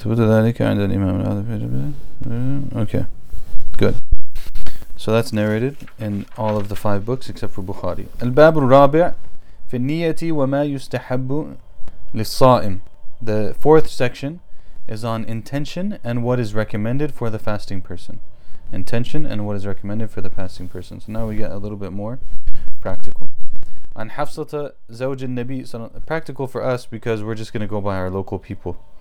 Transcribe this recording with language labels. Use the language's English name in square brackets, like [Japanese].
[English] Okay, good. So that's narrated in all of the five books except for Bukhari. [Arabic] الباب الرابع في النية وما يستحب للصائم. [English] The fourth section is on intention and what is recommended for the fasting person. Intention and what is recommended for the fasting person. So now we get a little bit more practical. [Arabic] عن حفصة زوج النبي. [English] So practical for us because we're just going to go by our local people.